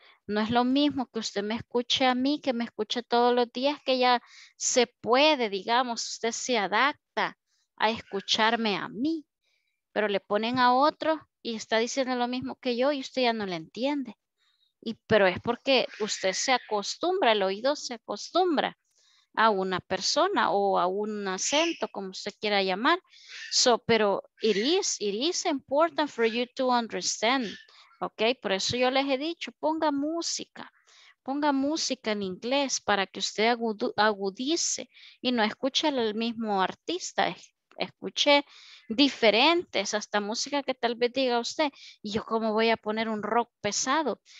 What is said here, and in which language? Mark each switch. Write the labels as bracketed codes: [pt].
[es] No es lo mismo que usted me escuche a mí, que me escuche todos los días, que ya se puede, digamos, usted se adapta a escucharme a mí. pero le ponen a otro y está diciendo lo mismo que yo y usted ya no le entiende. Y, pero es porque usted se acostumbra, el oído se acostumbra a una persona o a un acento, como usted quiera llamar. [en] So, pero it is important for you to understand. [es] Okay, por eso yo les he dicho, ponga música en inglés para que usted agudice y no escuche al mismo artista, escuche diferentes, hasta música que tal vez diga usted, ¿y yo cómo voy a poner un rock pesado?